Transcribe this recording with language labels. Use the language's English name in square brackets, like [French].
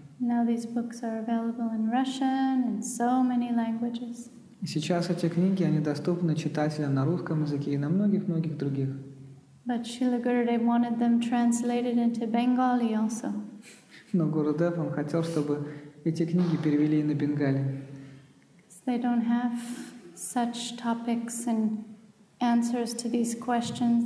[English] Now these books are available in Russian and so many languages. [Russian] Сейчас эти книги, они доступны читателям на русском языке и на многих-многих других. [English] But Srila Gurudev wanted them translated into Bengali also. [Russian] Но Гурудев, он хотел, чтобы эти книги перевели и на бенгали. [English] They don't have such topics and answers to these questions.